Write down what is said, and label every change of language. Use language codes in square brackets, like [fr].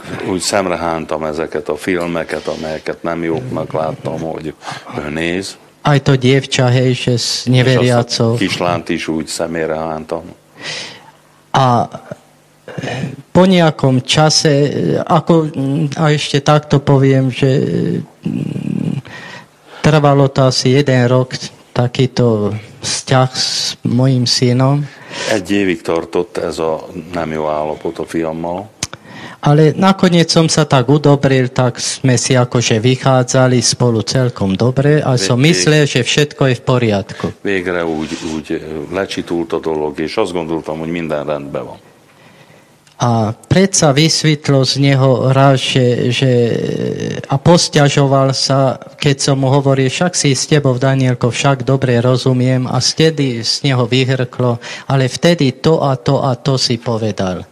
[hu] Úgy szemrehántam ezeket a filmeket, amelyeket nem jóknak láttam, hogy ő néz. [sk] Aj to dievča, hej, že s neveriacov. [hu] És azt a kislánt is úgy szemére hántam. [sk] A po nejakom čase, ako, a ešte takto poviem, že trvalo to asi jeden rok takýto vzťah s mojím synom. [hu] Egy évig tartott ez a nem jó állapot a fiammal. [sk] Ale nakoniec som sa tak udobril, tak sme si akože vychádzali spolu celkom dobre a som myslel, že všetko je v poriadku. [hu] Végre úgy lečitult a dolog, és azt gondoltam, hogy minden rendben van. [sk] A predsa vysvítlo z neho raz, že a posťažoval sa, keď som mu hovoril, však si s tebou, Danielko, však dobre rozumiem, a vtedy z neho vyhrklo, ale vtedy to a to a to si povedal.